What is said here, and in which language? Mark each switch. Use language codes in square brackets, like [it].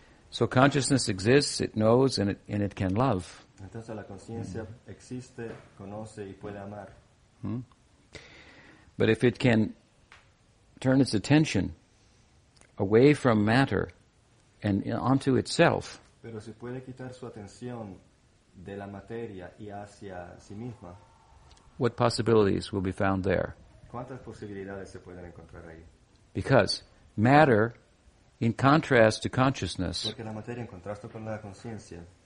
[en] So consciousness exists, it knows, and it can love. [es] Entonces la conciencia existe, conoce y puede amar. [en] But if it can turn its attention away from matter and onto itself. [es] Pero si puede quitar su atención de la materia y hacia sí misma. [en] What possibilities will be found there? [es] ¿Cuántas posibilidades se pueden encontrar ahí? [en] Because matter, in contrast to consciousness. [es] Porque la materia en contraste con la conciencia.